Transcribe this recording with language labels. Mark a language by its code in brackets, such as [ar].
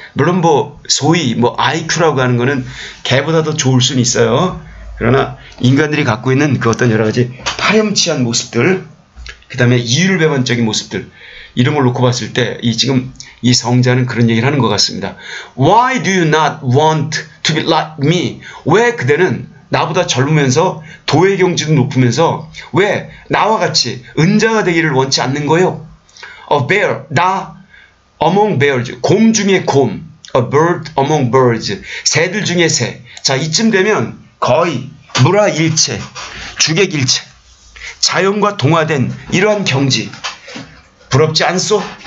[ko] 물론 뭐 소위 뭐 IQ라고 하는 거는 개보다 더 좋을 수는 있어요. 그러나 인간들이 갖고 있는 그 어떤 여러 가지 파렴치한 모습들, 그 다음에 이율배반적인 모습들, 이런 걸 놓고 봤을 때 이 지금 이 성자는 그런 얘기를 하는 것 같습니다. [en] Why do you not want to be like me? [ko] 왜 그대는 나보다 젊으면서 도의 경지도 높으면서 왜 나와 같이 은자가 되기를 원치 않는 거요? [en] A bear, [ko] 나 [en] among bears, [ko] 곰 중에 곰, [en] a bird among birds, [ko] 새들 중에 새. 자, 이쯤 되면 거의 무라일체, 주객일체, 자연과 동화된 이러한 경지, 부럽지 않소?